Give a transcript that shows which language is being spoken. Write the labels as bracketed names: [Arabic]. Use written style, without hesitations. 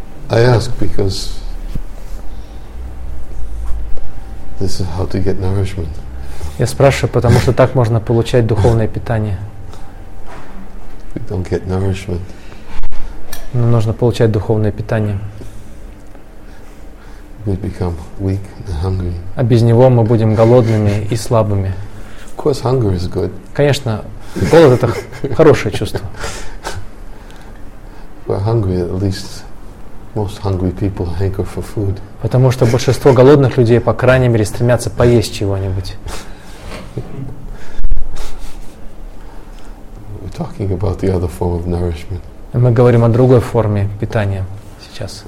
[English] I ask because this is how to get nourishment. [Russian] Я спрашиваю, потому что так можно получать духовное питание. [English] We don't get nourishment. [Russian] Нам нужно получать духовное питание. [English] We become weak and hungry. [Russian] А без него мы будем голодными и слабыми. [English] Of course, hunger is good. [Russian] Конечно, голод это хорошее чувство. [English] We're hungry, at least. Most hungry people hanker for food. [Russian] Потому что большинство голодных людей, по крайней мере, стремятся поесть чего-нибудь. [English] We're talking about the other form of nourishment. [Russian] Мы говорим о другой форме питания сейчас.